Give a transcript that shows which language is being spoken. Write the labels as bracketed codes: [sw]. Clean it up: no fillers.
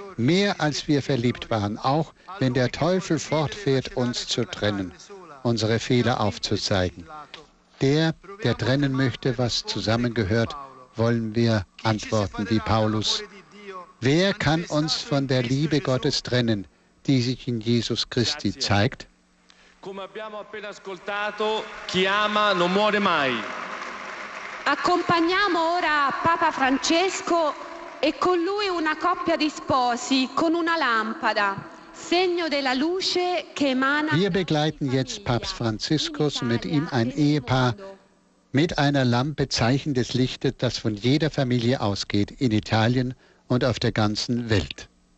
[de] Mehr als wir verliebt waren, auch wenn der Teufel fortfährt, uns zu trennen, unsere Fehler aufzuzeigen. Der, der trennen möchte, was zusammengehört, wollen wir antworten wie Paulus. Wer kann uns von der Liebe Gottes trennen, die sich in Jesus Christi zeigt? [it] Come abbiamo appena ascoltato, chi ama non muore mai. Accompagniamo ora Papa Francesco e con lui una coppia di sposi con una lampada, segno della luce che emana. [de] Wir begleiten jetzt Papst Franziskus mit ihm ein Ehepaar mit einer Lampe, Zeichen des Lichtes, das von jeder Familie ausgeht in Italien und auf der ganzen Welt.